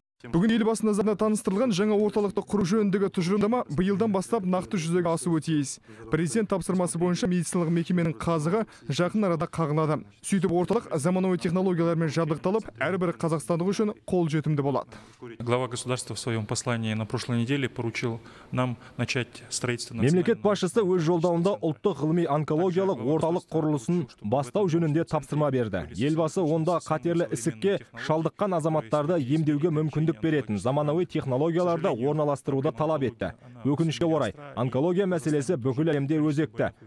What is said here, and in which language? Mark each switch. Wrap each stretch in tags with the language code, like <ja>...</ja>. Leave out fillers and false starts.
<kk>Бүгін елбасы назарына таныстырылған жаңа орталықты құру жөніндегі тұжырымдама биылдан бастап нақты жүзеге асуы тиіс. Президент тапсырмасы бойынша медициналық мекеменің қазығы жақын арада қағылады. Сөйтіп орталық заманауи технологиялармен жабдықталып, әрбір қазақстандық үшін қол жетімді болады.</kk> <ru>Глава государства в своем послании на прошлой неделе поручил нам начать строительство.</ru> <kk>Мемлекет басшысы өз жолдауында ұлттық ғылыми онкологиялық орталық құрылысын бастау жөнінде тапсырма берді. Елбасы онда қатерлі ісікке шалдыққан азаматтарды емдеуге мүмкін күндік беретін заманауи технологияларды орналастыруды талап етті. Өкінішке орай, онкология мәселесі бүкіл әлемде өзекті.</kk>